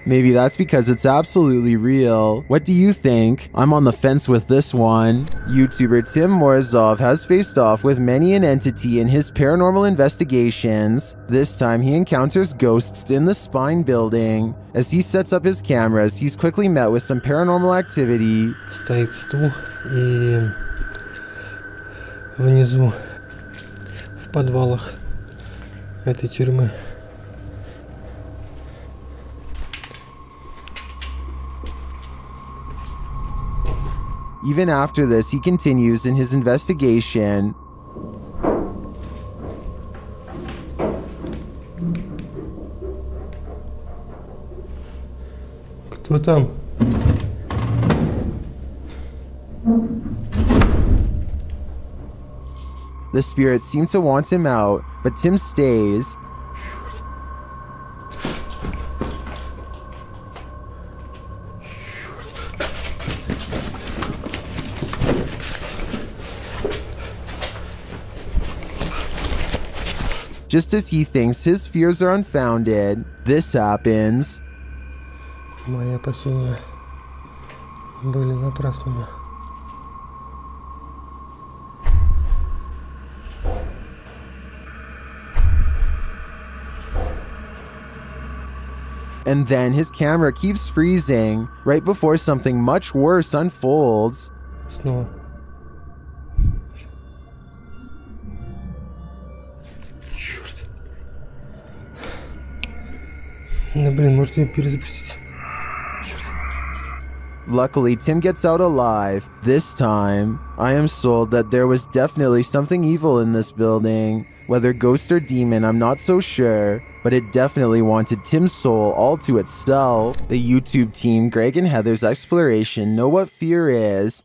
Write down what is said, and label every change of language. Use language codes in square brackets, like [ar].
[en] Maybe that's because it's absolutely real. What do you think? I'm on the fence with this one. YouTuber Tim Morozov has faced off with many an entity in his paranormal investigations. This time, he encounters ghosts in the Spine Building. As he sets up his cameras, he's quickly met with some paranormal activity. [ru] Стоит стул и внизу в подвалах. Этой тюрьмы. [en] Even after this, he continues in his investigation. [ru] Кто там? [en] The spirit seemed to want him out, but Tim stays. Just as he thinks his fears are unfounded, this happens. [ru] Мои опасения были напрасными. [en] And then his camera keeps freezing, right before something much worse unfolds. [ru] Снова. Чёрт. Да блин, может её перезапустить? Чёрт. [en] Luckily, Tim gets out alive. This time, I am sold that there was definitely something evil in this building. Whether ghost or demon, I'm not so sure, but it definitely wanted Tim's soul all to itself. The YouTube team, Greg and Heather's exploration, know what fear is.